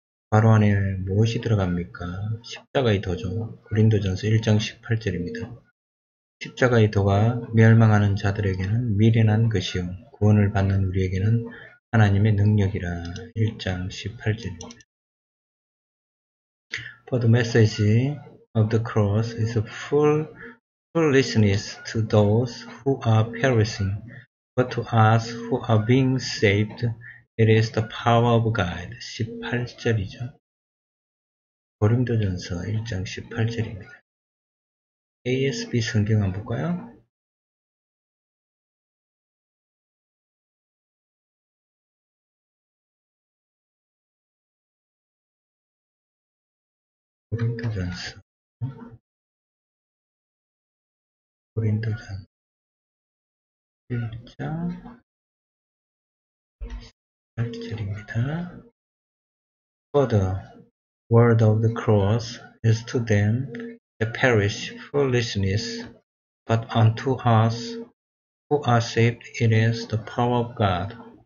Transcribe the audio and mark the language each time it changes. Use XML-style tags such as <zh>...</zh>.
<ko>바로 안에 무엇이 들어갑니까? 십자가의 도죠. 고린도전서 1장 18절입니다. 십자가의 도가 멸망하는 자들에게는 미련한 것이요 구원을 받는 우리에게는 하나님의 능력이라. 1장 18절입니다.</ko> <en>For the message of the cross is foolishness to those who are perishing, but to us who are being saved, it is the power of God.</en> <ko>18절이죠. 고린도전서 1장 18절입니다. ASB 성경 한번 볼까요? 고린도전서. 고린도전서 1장 18절입니다.</ko> <en>Further, word of the cross is to them a perish foolishness, but unto us who are saved it is the power of God.</en>